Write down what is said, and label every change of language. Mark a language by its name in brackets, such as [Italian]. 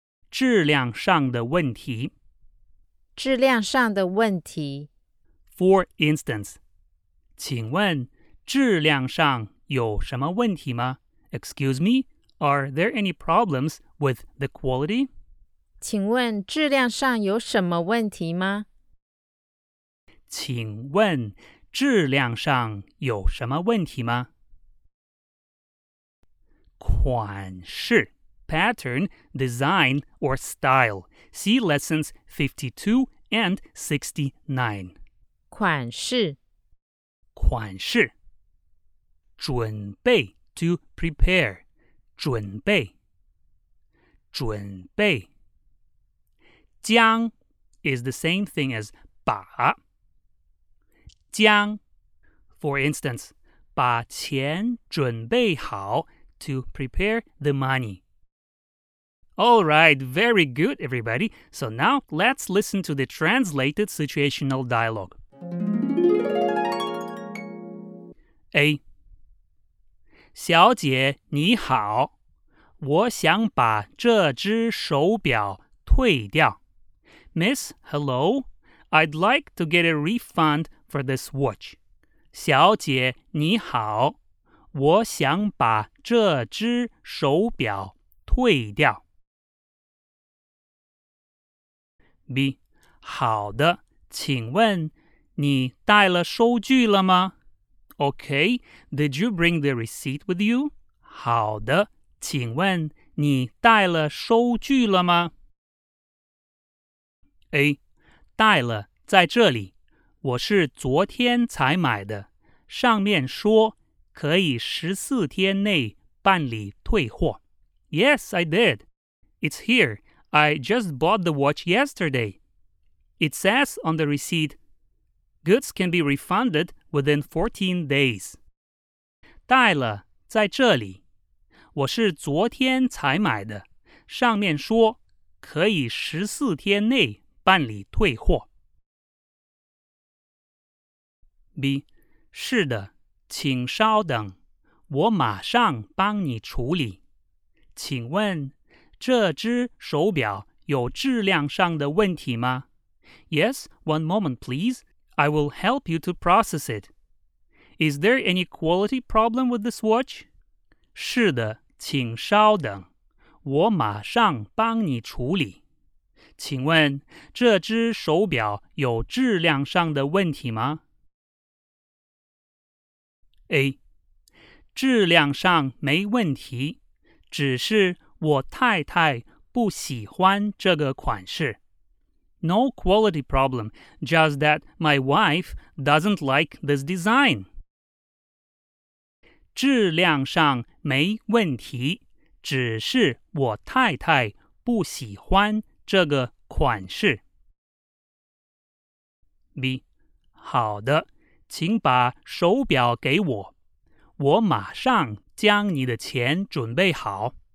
[Chinese] 质量上的问题。质量上的问题。 [English] For instance, [Chinese] 请问质量上有什么问题吗? [English] Excuse me, are there any problems with the quality? [Chinese] 请问质量上有什么问题吗? 请问质量上有什么问题吗? [English] 款式 pattern, design, or style. See lessons 52 and 69. [Chinese] 款式款式准备 [English] to prepare. [Chinese] 准备准备将 [English] is the same thing as 把将 For instance, [Chinese] 把钱准备好 [English] to prepare the money. All right, very good, everybody. So now let's listen to the translated situational dialogue. A. [Chinese] 小姐你好，我想把这只手表退掉。 [English] Miss, hello. I'd like to get a refund for this watch. [Chinese] 小姐你好，我想把这只手表退掉。 [English] B. [Chinese] 好的，请问你带了收据了吗? [English] Okay, did you bring the receipt with you? [Chinese] 好的，请问你带了收据了吗? A. 带了，在这里。我是昨天才买的。上面说可以14天内办理退货。 [English] Yes, I did. It's here. I just bought the watch yesterday. It says on the receipt, goods can be refunded within 14 days. [Chinese] 带了，在这里。我是昨天才买的。上面说可以14天内办理退货。 B. 是的，请稍等。我马上帮你处理。请问这只手表有质量上的问题吗？ [English] Yes, one moment please. I will help you to process it. Is there any quality problem with this watch? [Chinese] 是的，请稍等。我马上帮你处理。请问这只手表有质量上的问题吗？ A. 质量上没问题，只是我太太不喜欢这个款式。 No quality problem, just that my wife doesn't like this design. 质量上没问题，只是我太太不喜欢这个款式。 B. 好的，请把手表给我，我马上将你的钱准备好。